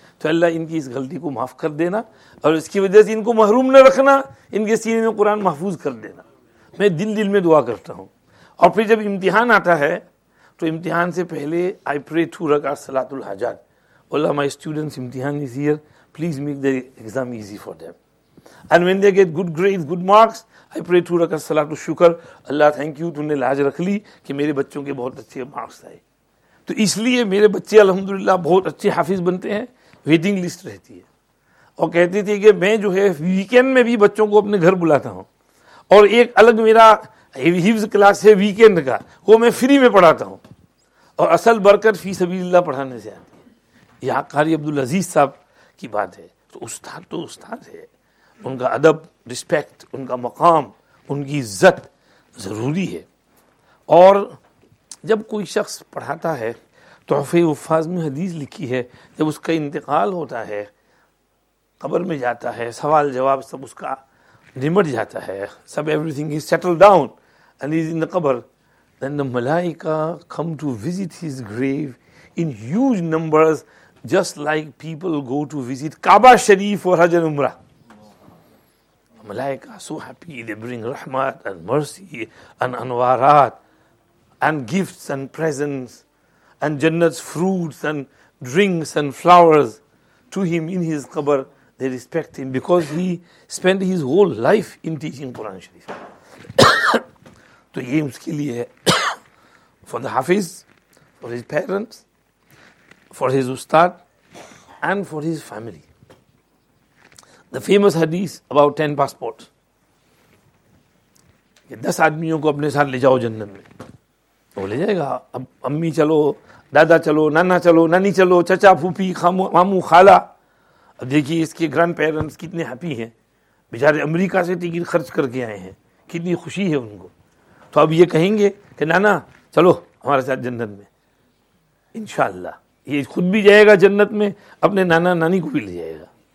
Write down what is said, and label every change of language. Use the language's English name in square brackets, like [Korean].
[Urdu] تو اللہ ان کی اس غلطی کو معاف کر دینا اور اس کی وجہ سے ان کو محروم نہ رکھنا, ان کے سینے میں قرآن محفوظ کر دینا. میں دل دل میں دعا کرتا ہوں. اور پھر جب امتحان آتا ہے تو امتحان سے پہلے [English] I pray 2 rakat [Urdu] صلات الحاجات. [English] Allah my students امتحان is here, please make the exam easy for them. And when they get good grades, good marks, I pray 2 rakat صلات الشکر. [Urdu] Allah [English] thank you, [Urdu] تو نے لاج رکھ لی کہ میرے بچوں کے بہت اچھے مارکس آئے. تو اس لیے میرے بچے الحمدللہ بہت اچھے حافظ بنتے ہیں. ویٹنگ لسٹ رہتی ہے. اور کہتی تھی کہ میں جو ہے ویکینڈ میں بھی بچوں کو اپنے گھر بلاتا ہوں, اور ایک الگ میرا حفظ کلاس ہے ویکینڈ کا, وہ میں فری میں پڑھاتا ہوں. اور اصل برکت فی سبیل اللہ پڑھانے سے آتی ہے. یہاں قاری عبدالعزیز صاحب کی بات ہے. تو استاد ہے, ان کا ادب, رسپیکٹ, ان کا مقام, ان کی عزت ضروری ہے. اور جب کوئی شخص پڑھاتا ہے, تحفہ وفاظ میں حدیث لکھی ہے, جب اس کا انتقال ہوتا ہے, قبر میں جاتا ہے, سوال جواب سب اس کا نمٹ جاتا ہے, سب [English] everything is settle down and is in the قبر, then the ملائکہ come to visit his grave in huge numbers, just like people go to visit [Urdu] کعبہ شریف اور حج عمرہ. [English] ملائکہ so happy, they bring رحمت and mercy and انوارات and gifts and presents and Jannat's fruits and drinks and flowers to him in his qabr. They respect him because he spent his whole life in teaching Quran Sharif. [Urdu] To ye uske liye hai, [English] for the Hafiz, for his parents, for his ustad, and for his family. The famous hadith about 10 passports. [Urdu] Ye 10 aadmiyon ko apne saath le jao Jannat mein. Wo le jayega, ab ammi chalo, دادا چلو, نانا چلو, نانی چلو, چچا پھوپھی, مامو خالہ. اب دیکھیے اس کے گرینڈ پیرنٹس کتنے ہیپی ہیں, بیچارے امریکہ سے ٹکٹ خرچ کر کے آئے ہیں, کتنی خوشی ہے ان کو. تو اب یہ کہیں گے کہ نانا چلو ہمارے ساتھ جنت میں, انشاءاللہ یہ خود بھی جائے گا جنت میں, اپنے نانا نانی کو بھی لے جائے گا.